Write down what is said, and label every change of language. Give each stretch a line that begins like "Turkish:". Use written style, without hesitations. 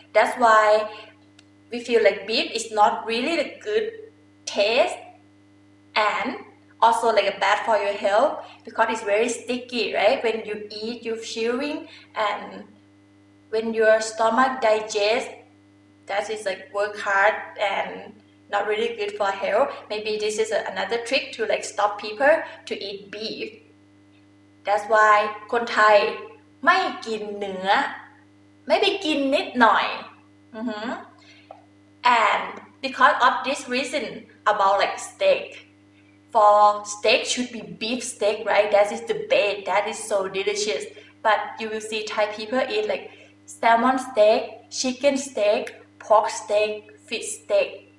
English: That's why we feel like beef is not really the good taste and also like bad for your health because it's very sticky, right? When you eat, you're chewing and when your stomach digests, that is like work hard and not really good for health. Maybe this is another trick to like stop people to eat beef. That's why
Thai: คนไทยไม่กินเนื้อ
English: maybe
Thai: กินนิดหน่อย mm-hmm.
English: and because of this reason about like steak for steak should be beef steak right that is the best that is so delicious but you will see Thai people eat like salmon steak chicken steak pork steak fish steak